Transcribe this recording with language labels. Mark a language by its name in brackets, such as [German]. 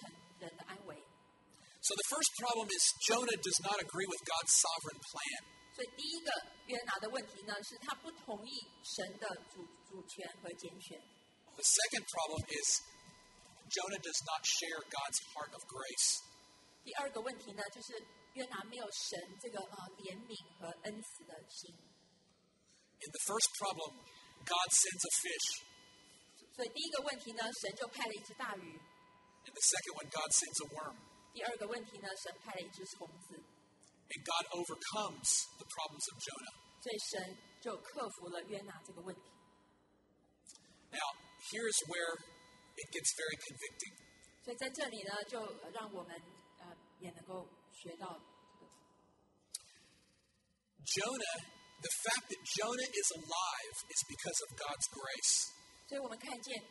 [English] So the first problem is Jonah does not agree with God's sovereign plan. The second problem is Jonah does not share God's heart of grace. [Chinese] 第二个问题呢, 约拿没有神这个怜悯和恩慈的心。 [English] In the first problem, God sends a fish. [Chinese] 所以第一个问题呢, 神就派了一只大鱼。 [English] In the second one, God sends a worm. [Chinese] 第二个问题呢, 神派了一只虫子。 [English] And God overcomes the problems of Jonah. [Chinese] 所以神就克服了约拿这个问题。 [English] Now, here is where it gets very convicting. [Chinese] 所以在这里呢, 就让我们也能够学到。 [English] Jonah, the fact that Jonah is alive is because of God's grace.